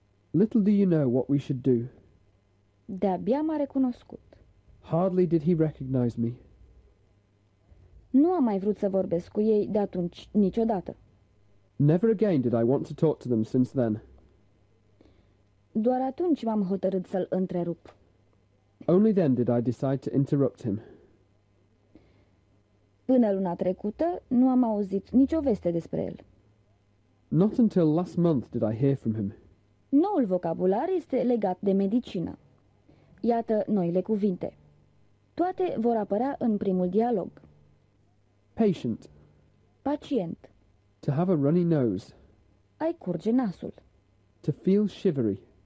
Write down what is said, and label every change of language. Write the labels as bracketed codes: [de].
[en] Little do you know what we should do. [ro] De-abia m-a recunoscut. [en] Hardly did he recognize me. [ro] Nu am mai vrut să vorbesc cu ei de atunci niciodată. [en] Never again did I want to talk to them since then. [ro] Doar atunci m-am hotărât să-l întrerup. [en] Only then did I decide to interrupt him. [ro] Până luna trecută, nu am auzit nicio veste despre el. [en] Not until last month did I hear from him. [ro] Noul vocabular este legat de medicină. Iată noile cuvinte. Toate vor apărea în primul dialog. [en] Patient. [ro] Pacient. [en] To have a runny nose. [ro] Ai curge nasul. [en] To feel shivery.